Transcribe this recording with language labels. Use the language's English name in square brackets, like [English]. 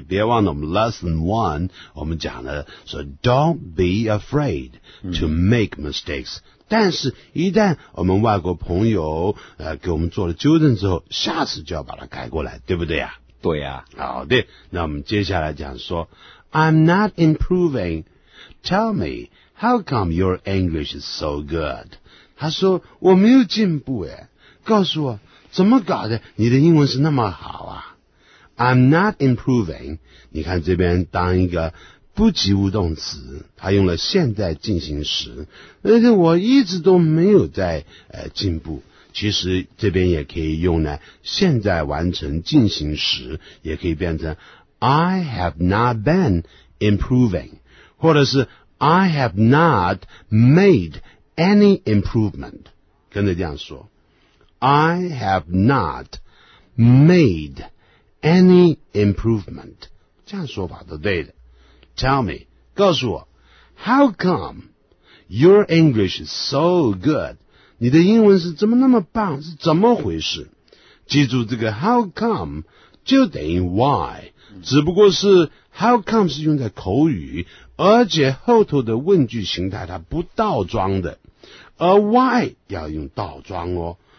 [Chinese] 别忘了我们 lesson one， 我们讲了说 [English] don't be afraid to make mistakes、 [Chinese] 嗯。但是一旦我们外国朋友给我们做了纠正之后，下次就要把它改过来，对不对啊？对呀、啊。好的，那我们接下来讲说。 [English] I'm not improving. Tell me, how come your English is so good? [Chinese] 他说我没有进步耶。告诉我怎么搞的你的英文是那么好啊。 I'm not improving. 你看这边当一个不及物动词，他用了现在进行时，而且我一直都没有在进步。其实这边也可以用呢，现在完成进行时也可以变成 [English] I have not been improving, [Chinese] 或者是 [English] I have not made any improvement. [Chinese] 跟着这样说 [English] I have not made any improvement. [Chinese] 这样说法都对的。 [English] Tell me, [Chinese] 告诉我 [English] how come your English is so good? [Chinese] 你的英文是怎么那么棒？是怎么回事？记住这个 how come 就等于 why。只不过是 how come 是用在口语，而且后头的问句形态它不倒装的，而 why 要用倒装哦。